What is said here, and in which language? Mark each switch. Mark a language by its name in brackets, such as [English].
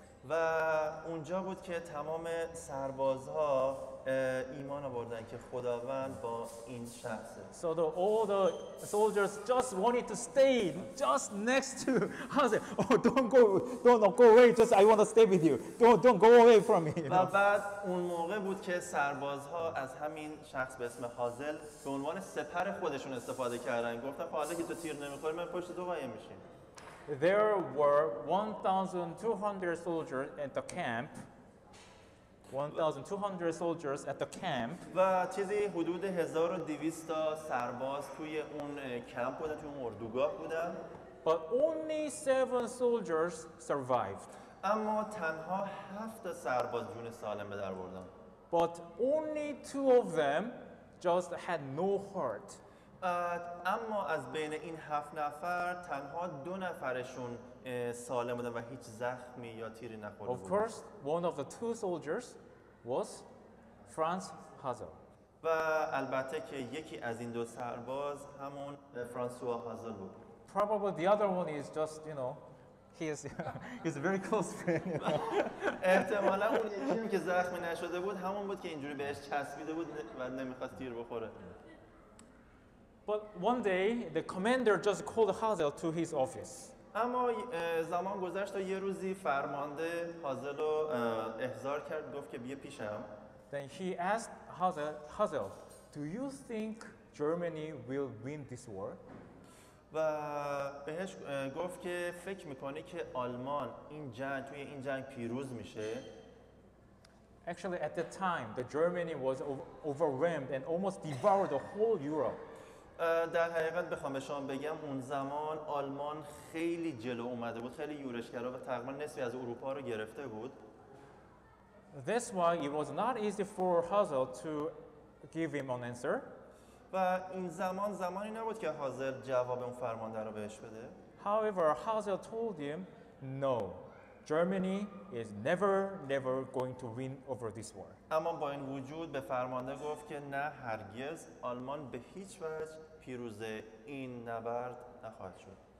[Persian] و اونجا بود که تمام سربازها ایمان آوردن که خداوند با این شخصه. [English] So all the soldiers just wanted to stay just next to Hazel. Oh, don't go away. Just I want to stay with you. Don't go away from me. [Persian] و بعد اون موقع بود که سربازها از همین شخص به اسم هازل به عنوان سپر خودشون استفاده کردن. گفتن حالا که تو تیر نمیخوری من پشت تو قایم میشم. [English] There were 1,200 soldiers at the camp. 1,200 soldiers at the camp. [Persian] و چیزی حدود 1,200 تا سرباز توی اون کمپ بودن، توی اون اردوگاه بودن. [English] But only 7 soldiers survived. [Persian] اما تنها 7 سرباز جون سالم به در بردن. [English] But only 2 of them just had no heart. [Persian] اما از بین این 7 نفر تنها 2 نفرشون سالم بودن و هیچ زخمی یا تیری نخورده بودن. [English] Of course, one of the 2 soldiers was Franz Hazel. [Persian] و البته که یکی از این 2 سرباز همون فرانسوا هازل بود. [English] Probably the other one is just, you know, he's a very close friend. [Persian] احتمالاً اون یکی که زخمی نشده بود همون بود که اینجوری بهش چسبیده بود و نمیخواست تیر بخوره. [English] But one day, the commander just called Hazel to his office. [Persian] اما زمان گذشت و یه روزی فرمانده هازل رو احضار کرد، گفت که بیا پیشم. [English] Then he asked Hazel, do you think Germany will win this war? [Persian] و بهش گفت که فکر میکنی که آلمان توی این جنگ پیروز میشه. [English] Actually, at the time, the Germany was overwhelmed and almost devoured the whole Europe. [Persian] در حقیقت بخوام به شما بگم اون زمان آلمان خیلی جلو اومده بود، خیلی یورشگرا و تقریبا نصفی از اروپا رو گرفته بود. [English] That's why it was not easy for Hazel to give him an answer. [Persian] و این زمان زمانی نبود که حاضر جواب اون فرمانده رو بهش بده. [English] However, Hazel told him, "No. Germany is never going to win over this war." [Persian] اما با این وجود به فرمانده گفت که نه هرگز آلمان به هیچ وجه پیروز این نبرد نخواهد شد.